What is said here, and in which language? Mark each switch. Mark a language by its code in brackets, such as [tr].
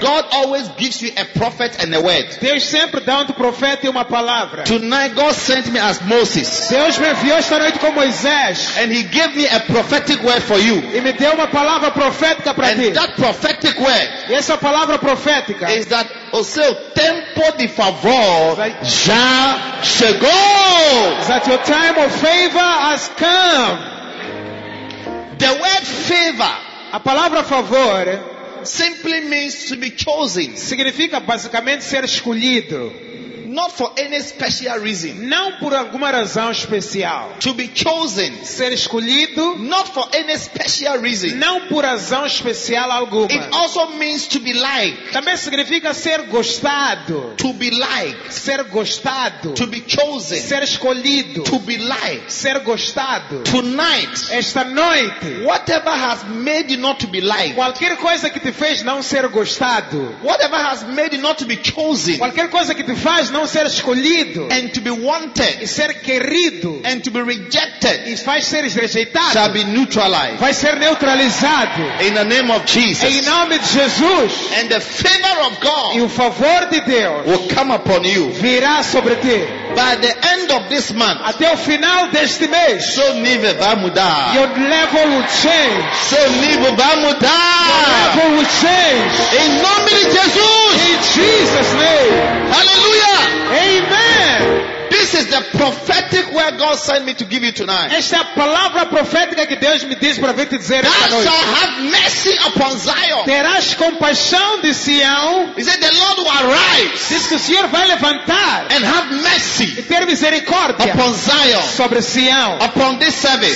[en] God always gives you a prophet and a word. [pt] Deus sempre dá um profeta e uma palavra. [en] Tonight God sent me as Moses. [pt] Deus me enviou esta noite como Moisés. [en] And he gave me a prophetic word for you. [pt] E me deu uma palavra profética para ti. [en] And that prophetic word. [pt] E essa palavra profética. [en] Is that [pt] o seu tempo de favor já chegou. [en] Is that your time of favor has come. The word favor. [pt] A palavra favor [en] simply means to be chosen. [pt] Significa basicamente ser escolhido. [en] not for any special reason. [pt] Não por alguma razão especial. [en] To be chosen, [pt] ser escolhido, [en] not for any special reason. [pt] Não por razão especial alguma. [en] It also means to be liked. [pt] Também significa ser gostado. [en] To be liked, [pt] ser gostado. [en] To be chosen, [pt] ser escolhido. [en] To be liked, [pt] ser gostado. [en] Tonight, [pt] esta noite, [en] whatever has made you not to be liked, [pt] qualquer coisa que te fez não ser gostado, [en] whatever has made you not to be chosen, [pt] qualquer coisa que te faz não ser escolhido, [en] and to be wanted, [pt] e ser querido, [en] and to be rejected, [pt] e faz ser rejeitado, [en] shall be neutralized, [pt] vai ser neutralizado, [en] in the name of Jesus, [pt] em nome de Jesus, [en] and the favor of God, [pt] e o favor de Deus, [en] will come upon you, [pt] virá sobre ti, [en] by the end of this month, [pt] até o final deste mês, seu nível vai mudar, [en] your level will change, [pt] seu nível vai mudar, [en] your level will change, [pt] em nome de Jesus, [en] in Jesus' name, hallelujah, amen. This is the prophetic word God sent me to give you tonight. [pt] Esta é a palavra profética que Deus me disse para vir te dizer esta [en] Thou shalt have mercy upon Zion. [pt] Terás compaixão de Sião. [en] He said the Lord will arise. [pt] Diz que o Senhor vai levantar. [en] And have mercy. [pt] E ter misericórdia. [en] Upon Zion. [pt] Sobre Sião. [en] Upon this service.